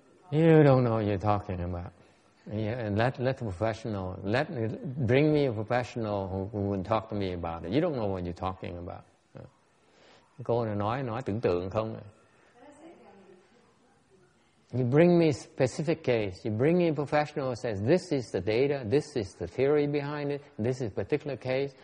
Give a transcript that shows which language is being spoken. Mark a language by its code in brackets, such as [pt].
[en] You don't know what you're talking about. Yeah, let the professional, bring me a professional who will talk to me about it. You don't know what you're talking about. [vi] Cô nói tưởng tượng không. [en] You bring me a specific case. You bring me a professional who says, this is the data, this is the theory behind it, this is a particular case.